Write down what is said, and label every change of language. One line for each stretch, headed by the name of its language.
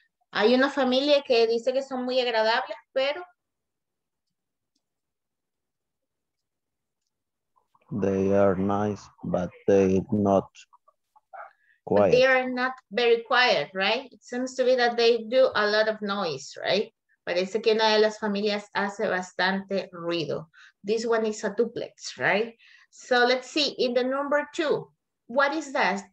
Spanish: Hay una familia que dice que son muy agradables, pero...
English: They are nice, but they are not quiet. But they are not very quiet, right? It seems to be that they do a lot of noise, right?
Spanish: Parece que una de las familias hace bastante ruido.
English: This one is a duplex, right? So let's see, in the number two, what is that?